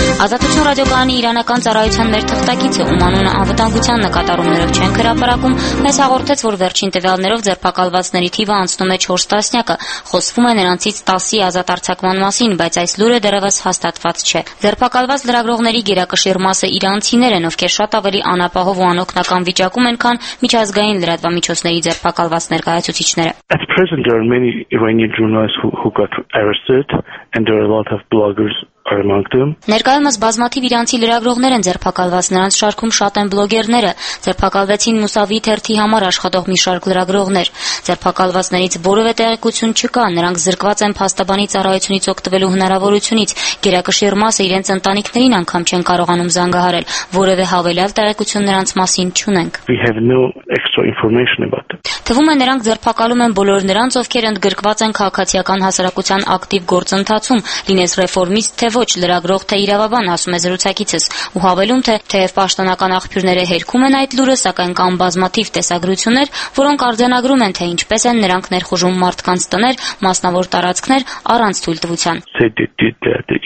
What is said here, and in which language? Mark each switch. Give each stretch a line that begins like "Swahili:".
Armenian: Ազատություն ռադիոկանալի իրանական ծառայության մեր թղթակիցը ումանունը անվտանգության նկատառումներով չեն հրապարակում, մեզ հաղորդեց, որ վերջին տվյալներով ձերբակալվածների թիվը անցնում է 4 տասնյակը, խոսվում է նրանցից 10-ի ազատ արձակման մասին, բայց այս լուրը դեռևս հաստատված չէ։ Ձերբակալված լրագրողների գերակշիռ մասը իրանցիներ են, ովքեր շատ ավելի անապահով ու անօգնական վիճակում են, քան միջազգային լրատվամիջոցների ձերբակալված ներկայացուցիչները։
English: At present there are many Iranian journalists who got arrested and there are a lot of bloggers among them.
Armenian: Ներկայումս բազմաթիվ իրանցի լրագրողներ են ձերբակալված, նրանց շարքում շատ են բլոգերները, ձերբակալվեցին Մուսավի թերթի համար աշխատող մի շարք լրագրողներ։ Ձերբակալվածներից որևէ տեղեկություն չկա, նրանք զրկված են փաստաբանի ծառայությունից օգտվելու հնարավորությունից, գերակշիռ մասը իրենց ընտանիքներին անգամ չեն կարողանում զանգահարել, որևէ հավելյալ տեղեկություն նրանց մասին չունենք։
English: We have no extra information about them.
Armenian: Թվում է նրանք ձերբակալում են բոլոր նրանց, ովքեր ընդգրկված են քաղաքացիական հասարակության ակտիվ գործընթացում, լինես ռեֆորմիստ, թե ոչ լրագրող, թե իրավաբան, ասում է զրուցակիցս, ու հավելում թե թեև պաշտոնական աղբյուրները հերքում են այդ լուրը, սակայն կան բազմաթիվ տեսագրություններ, որոնք արձանագրում են, թե ինչպես են նրանք ներխուժում մարդկանց տներ, մասնավոր տարածքներ առանց թույլ տվության։